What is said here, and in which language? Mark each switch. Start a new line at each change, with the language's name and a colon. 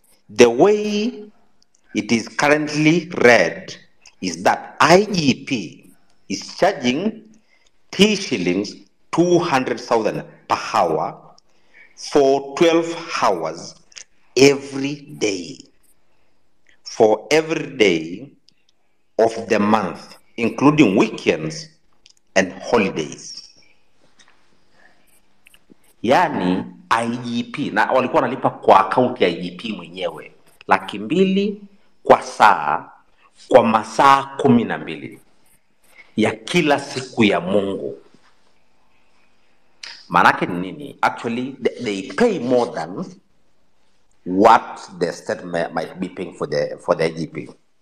English: The way it is currently read is that IGP is charging T shillings 200,000 per hour for 12 hours every day for every day of the month, including weekends and holidays.
Swahili: Yani IGP, na walikuwa nalipa kwa account ya IGP mwenyewe, 200,000 kwa saa, kwa masaa 12 ya kila siku ya Mungu. Manake ni nini?
English: Actually, they pay more than what the state might be paying for the IGP.